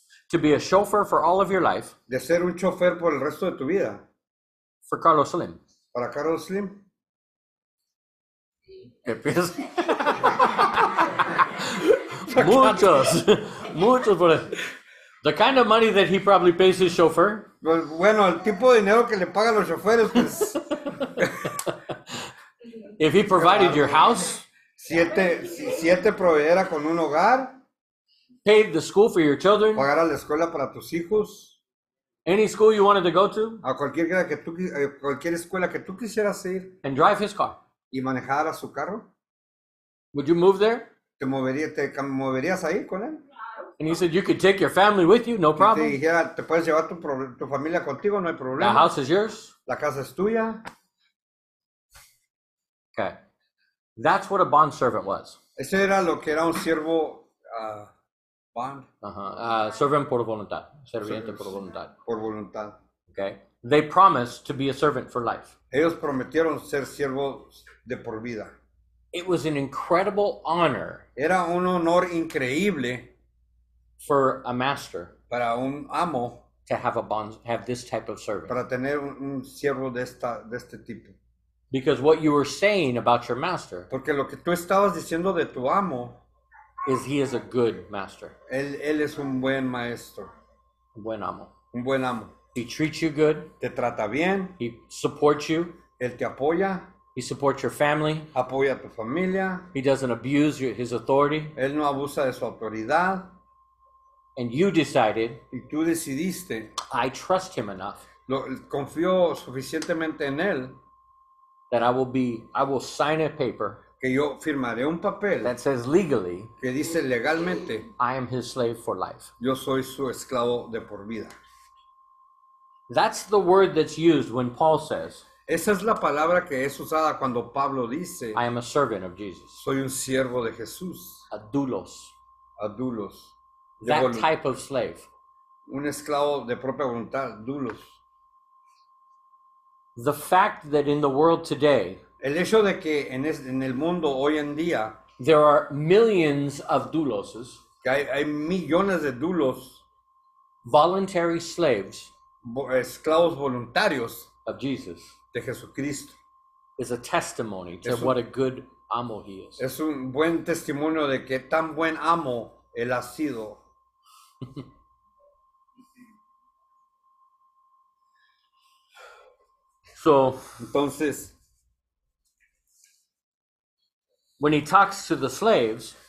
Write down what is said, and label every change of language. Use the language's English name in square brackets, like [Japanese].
[English] To be a chauffeur for all of your life. [Spanish] De ser un chofer por el resto de tu vida. [English] For Carlos Slim. [Spanish] Para Carlos Slim. ¿Qué piensas? Muchos. Muchos por el. [English] The kind of money that he probably pays his chauffeur. [Spanish] Pues, bueno, el tipo de dinero que le pagan los choferes, pues. [English] If he provided your house. [Spanish] Si él te proveyera con un hogar. [English] Paid the school for your children. [Spanish] Pagara la escuela para tus hijos. [English] Any school you wanted to go to. [Spanish] A cualquier escuela que tú quisieras ir. [English] And drive his car. [Spanish] Y manejara su carro. [English] Would you move there? [Spanish] ¿Te moverías ahí con él? [English] And he said, you could take your family with you, no problem. [Spanish] Y te dijera, te puedes llevar tu familia contigo, no hay problema. [English] The house is yours. [Spanish] La casa es tuya. [English] Okay. That's what a bond servant was. [Spanish] Ese era lo que era un siervo, bond. Servant por voluntad. Serviente por voluntad. Por voluntad. [English] Okay. They promised to be a servant for life. [Spanish] Ellos prometieron ser siervos de por vida. [English] It was an incredible honor. [Spanish] Era un honor increíble. [English] For a master. [Spanish] Para un amo. [English] To have a bond, have this type of servant. [Spanish] Para tener un siervo de este tipo. [English] Because what you were saying about your master. [Spanish] Porque lo que tú estabas diciendo de tu amo. [English] Is he is a good master. [Spanish] Él es un buen maestro. Un buen amo. Un buen amo. [English] He treats you good. [Spanish] Te trata bien. [English] He supports you. [Spanish] Él te apoya. [English] He supports your family. [Spanish] Apoya a tu familia. [English] He doesn't abuse his authority. [Spanish] Él no abusa de su autoridad. [English] And you decided. [Spanish] Y tú decidiste. [English] I trust him enough. [Spanish] Confío suficientemente en él. [English] That I will sign a paper. [Spanish] Que yo firmaré un papel. [English] That says legally. [Spanish] Que dice legalmente. [English] I am his slave for life. [Spanish] Yo soy su esclavo de por vida. [English] That's the word that's used when Paul says. [Spanish] Esa es la palabra que es usada cuando Pablo dice. [English] I am a servant of Jesus. [Spanish] Soy un siervo de Jesús. Adulos. Adulos. [English] That type of slave. [Spanish] Un esclavo de propia voluntad. Adulos. [English] The fact that in the world today. [Spanish] El hecho de que en el mundo hoy en día. [English] There are millions of douloses. [Spanish] Que hay millones de doulos. [English] Voluntary slaves. [Spanish] Esclavos voluntarios. [English] Of Jesus. [Spanish] De Jesucristo. [English] Is a testimony to what a good amo he is. [Spanish] Es un buen testimonio de que tan buen amo él ha sido. [English] So, [Spanish] entonces, [English] when he talks to the slaves,